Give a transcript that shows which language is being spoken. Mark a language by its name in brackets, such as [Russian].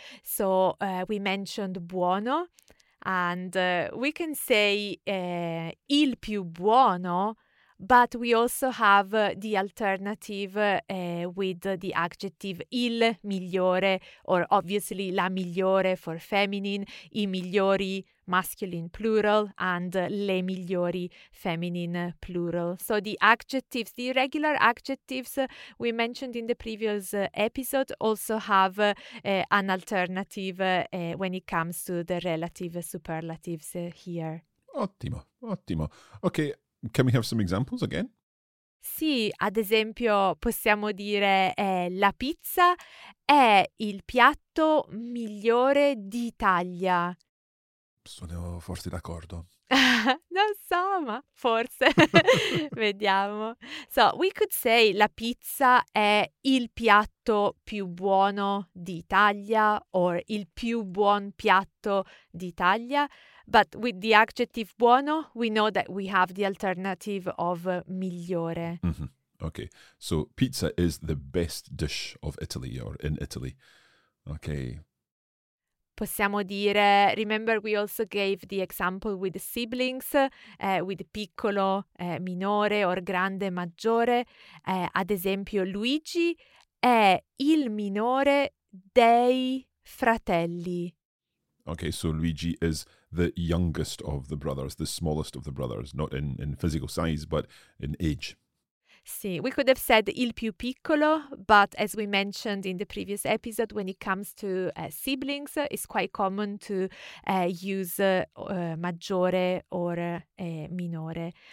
[English] So we mentioned buono. And we can say il più buono, but we also have the alternative with the adjective il migliore, or obviously la migliore for feminine, i migliori masculine plural, and le migliori feminine plural. So the adjectives, the irregular adjectives we mentioned in the previous episode also have an alternative when it comes to the relative superlatives here. [Italian] Ottimo, ottimo. [English] Okay, can we have some examples again? [Italian] Sì, ad esempio possiamo dire la pizza è il piatto migliore d'Italia. Sono forse d'accordo. Non so, ma forse. Vediamo. [English] So, we could say [Italian] la pizza è il piatto più buono d'Italia, [English] or [Italian] il più buon piatto d'Italia. [English] But with the adjective buono, we know that we have the alternative of migliore. Mm-hmm. Okay, so pizza is the best dish of Italy, or in Italy. Okay. [Italian] Possiamo dire, [English] remember we also gave the example with siblings, with piccolo, minore, or grande, maggiore. [Italian] Ad esempio, Luigi è il minore dei fratelli. [English] Okay, so Luigi is the youngest of the brothers, the smallest of the brothers, not in physical size, but in age. [Italian] Sì, [English] we could have said il più piccolo, but as we mentioned in the previous episode, when it comes to siblings, it's quite common to use maggiore or minore.